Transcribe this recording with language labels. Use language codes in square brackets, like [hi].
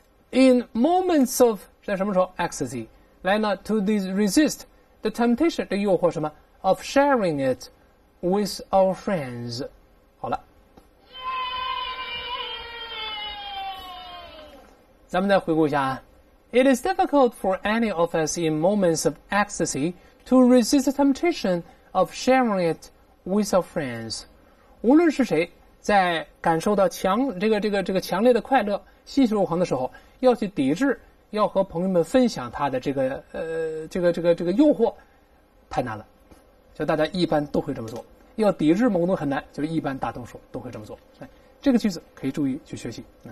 [en] in moments of [zh] 在什么时候 [en] ecstasy [zh] 来呢？ [en] to resist the temptation [zh] 的诱惑什么 [en] of sharing it with our friends。 [zh] 好了，咱们再回顾一下啊。 [en] It is difficult for any of us in moments of ecstasy to resist the temptation of sharing it with our friends。 [zh] 无论是谁在感受到这个强烈的快乐欣喜若狂的时候，要去抵制要和朋友们分享他的这个诱惑太难了，就大家一般都会这么做。要抵制某种很难，就是一般大多数都会这么做。这个句子可以注意去学习。